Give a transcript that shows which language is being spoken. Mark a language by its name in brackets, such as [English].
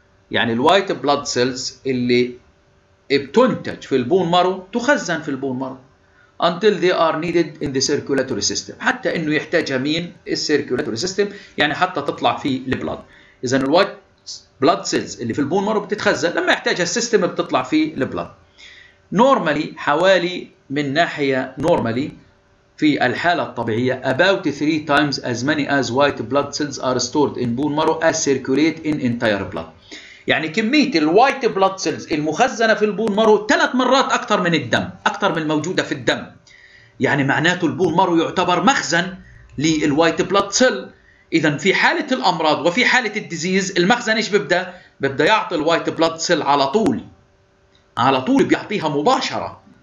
[Arabic] يعني الوايت بلاد سيلز اللي بتنتج في البون مارو تخزن في البون مارو [English] until they are needed in the circulatory system، [Arabic] حتى انه يحتاجها مين؟ السيركيولاتوري سيستم، يعني حتى تطلع في البلاد. اذا الوايت بلاد سيلز اللي في البون مارو بتتخزن لما يحتاجها السيستم بتطلع في البلاد. نورمالي حوالي من ناحيه نورمالي في الحاله الطبيعيه [English] about 3 times as many as white blood cells are stored in bone marrow as circulate in entire blood. [Arabic] يعني كميه الوايت بلاد سيلز المخزنه في البون مارو ثلاث مرات اكثر من الدم، اكثر من الموجوده في الدم. يعني معناته البون مارو يعتبر مخزن للوايت بلاد سيل. اذا في حاله الامراض وفي حاله الديزيز المخزن ايش بيبدا؟ بيبدا يعطي الوايت بلاد سيل على طول، على طول بيعطيها مباشره.